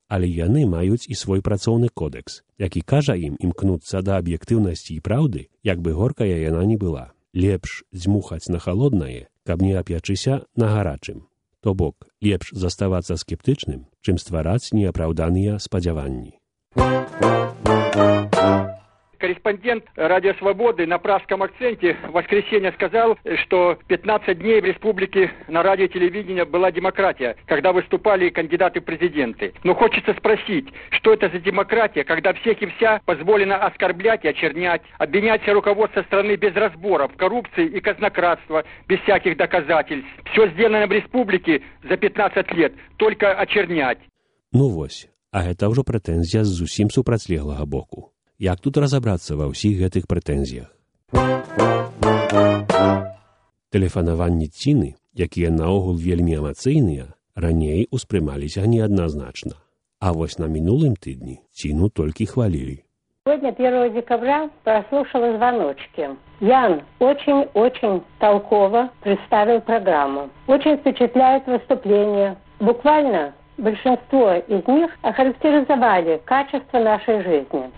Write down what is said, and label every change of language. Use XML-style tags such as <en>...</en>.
<be>Але яны маюць і свой працоўны кодэкс, які кажа ім імкнуцца да аб'ектыўнасці і праўды, як бы горкая яна не была. Лепш дзьмухаць на халоднае, каб не апячыся на гарачым. То бок, лепш заставацца скептычным, чым ствараць неапраўданыя спадзяванні.</be> <ru>Корреспондент «Радио Свободы» на пражском акценте в воскресенье сказал, что 15 дней в республике на радио и телевидении была демократия, когда выступали кандидаты в президенты. Но хочется спросить, что это за демократия, когда всех и вся позволено оскорблять и очернять, обвинять руководство страны без разбора, в коррупции и казнократства, без всяких доказательств. Все сделано в республике за 15 лет, только очернять.</ru> <be>Ну вось,</be> <ru>а это уже претензия</ru> <be>с зусім супрацьлеглага боку. Як тут разабрацца ва ўсіх гэтых прэтэнзіях? Тэлефанаванні Ціны, якія наогул вельмі эмацыйныя, раней успрымаліся неадназначна. А вось на мінулым тыдні Ціну толькі хвалілі.</be> <ru>Сегодня 1 декабря прослушала звоночки. Ян очень-очень толково представил программу. Очень впечатляет выступление. Буквально большинство из них охарактеризовали качество нашей жизни.</ru>